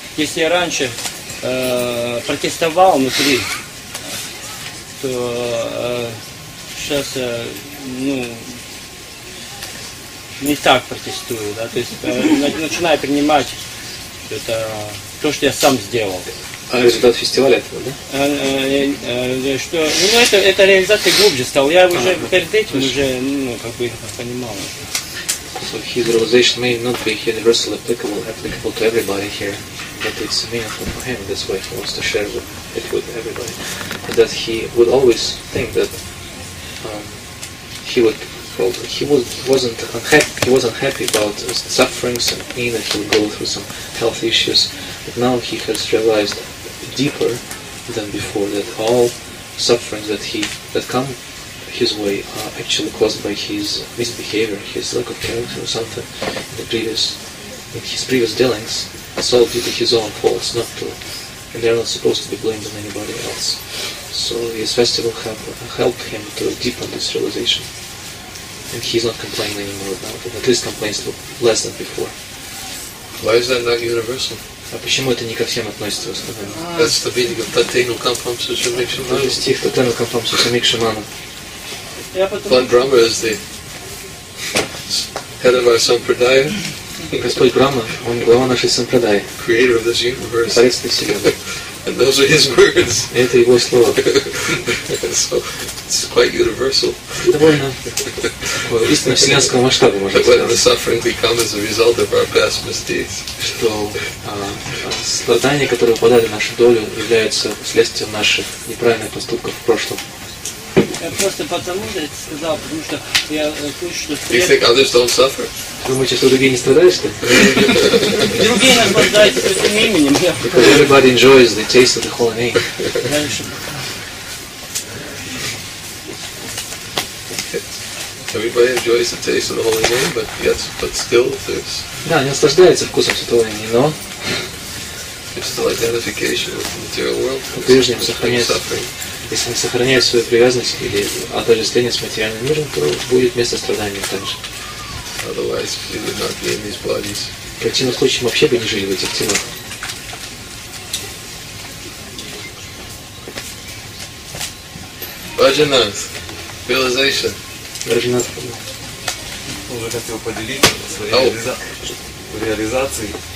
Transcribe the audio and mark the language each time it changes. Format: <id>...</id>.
<ru>Если я раньше протестовал внутри, то сейчас не так протестую, да, то есть начинаю принимать это, то, что я сам сделал. А результат фестиваля этого, да? Это реализация глубже стал. Я уже перед этим уже, понимал.</ru> <en>So his realization may not be universally applicable to everybody here, but it's meaningful for him. That's why he wants to share it with everybody. And that he would always think that he wasn't happy about sufferings and pain, that he would go through some health issues. But now he has realized deeper than before that all sufferings that come his way are actually caused by his misbehavior, his lack of character or something in his previous dealings. It's all due to his own faults, and they're not supposed to be blamed on anybody else. So his festival helped him to deepen this realization. And he's not complaining anymore about it. At least complains less than before. Why is that not universal?</en> <ru>А почему это не ко всем относится в основном?</ru> <en>That's the meaning of Tatenu Kampam Sushamikshamana.</en> <ru>Это стих Tatenu Kampam Sushamikshamana.</ru> <en>Pan Brahma is the head of our Sampradaya.</en> <ru>Господь Брама, он глава нашей Сампрадаи.</ru> <en>Creator of this universe.</en> <ru>Творец этой вселенной.</ru> <en>And those are his words.</en> <ru>Это его слово.</ru> <en>So it's quite universal.</en> <ru>Довольно. Истинно вселенского масштаба, можно сказать.</ru> <en>That the suffering we come as a result of our past mistakes.</en> <ru>Что страдания, которые упадали в нашу долю, являются следствием наших неправильных поступков в прошлом. Я просто потому это сказал, потому что я слышу, что...</ru> <en>You think others don't suffer?</en> <ru>Думаете, что другие не страдают, что ли? Другие наслаждаются этим именем.</ru> <en>Because everybody enjoys the taste of the holy name.</en> <ru>Дальше.</ru> <en>Everybody enjoys the taste of the holy name, but yet, but still, there's.</en> <ru>Да, они наслаждаются вкусом святого имени, но.</ru> <en>It's still identification with the material world.</en> <ru>По-прежнему сохраняет. Если они сохраняют свою привязанность или отождествление с материальным миром, то будет место страдания также.</ru> <en>Otherwise, we would not be in these bodies.</en> <ru>В противном случае мы вообще бы не жили в этих телах.</ru> <en>Bhajanath, realization. Bhajanath.</en> <ru>Уже хотел поделиться своей реализацией.</ru>